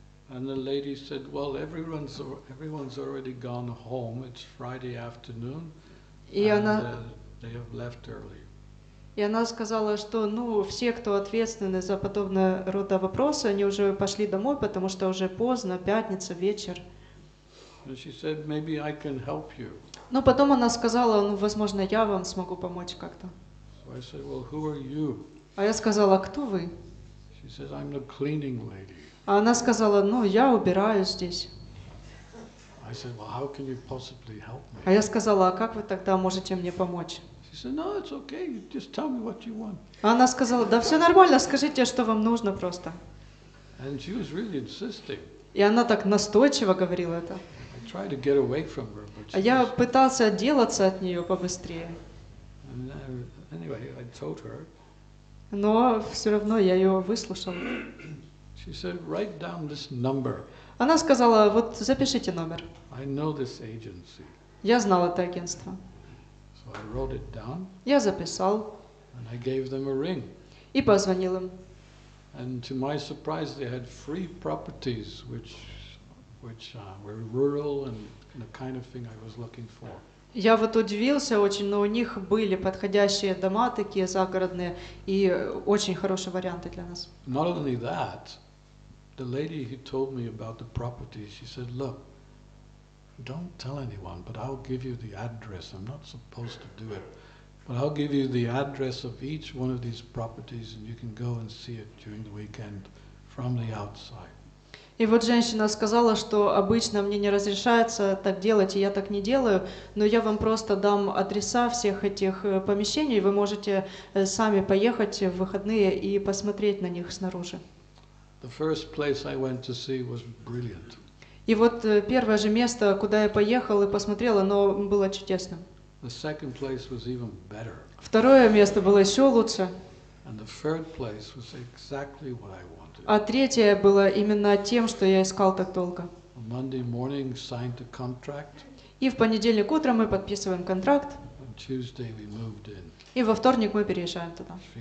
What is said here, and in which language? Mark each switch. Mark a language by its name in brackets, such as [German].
[English] And the lady said, "Well, everyone's already gone home. It's Friday afternoon, and they have left early." [Russian] И она сказала, что ну все, кто ответственны за подобного рода вопросы, они уже пошли домой, потому что уже поздно, пятница, вечер. [English] And she said, maybe I can help you. [Russian] Но потом она сказала, ну, возможно, я вам смогу помочь как-то. [English] So I said, well, who are you? [Russian] А я сказала, кто вы? [English] She said, I'm the cleaning lady. [Russian] А она сказала, ну, я убираю здесь. [English] I said, well, how can you possibly help me? [Russian] А я сказала, а как вы тогда можете мне помочь? [English] She said, "No, it's okay. Just tell me what you want." [Russian] Она сказала, да, все нормально. Скажите, что вам нужно просто. [English] And she was really insisting. [Russian] И она так настойчиво говорила это. [English] I tried to get away from her, but she. [Russian] А я пытался отделаться от нее побыстрее. [English] And anyway, I told her. [Russian] Но все равно я ее выслушал. [English] She said, "Write down this number." [Russian] Она сказала, вот запишите номер. [English] I know this agency. [Russian] Я знал это агентство. [English] I wrote it down. [Russian] Я записал. [English] And I gave them a ring. [Russian] И позвонил им. [English] And to my surprise, they had 3 properties, which were rural and the kind of thing I was looking for. [Russian] Я вот удивился очень, но у них были подходящие дома такие загородные и очень хорошие варианты для нас. [English] Not only that, the lady who told me about the properties, she said, "Look, don't tell anyone, but I'll give you the address. I'm not supposed to do it, but I'll give you the address of each one of these properties, and you can go and see it during the weekend from the outside." [Russian] И вот женщина сказала, что обычно мне не разрешается так делать, и я так не делаю, но я вам просто дам адреса всех этих помещений, вы можете сами поехать в выходные и посмотреть на них снаружи. [English] The first place I went to see was brilliant. [Russian] И вот первое же место, куда я поехал и посмотрел, оно было чудесным. [English] The second place was even better. [Russian] Второе место было еще лучше. [English] And the third place was exactly what I wanted. [Russian] А третье было именно тем, что я искал так долго. [English] On Monday morning, signed a contract. [Russian] И в понедельник утром мы подписываем контракт. [English] On Tuesday we moved in. [Russian] И во вторник мы переезжаем туда.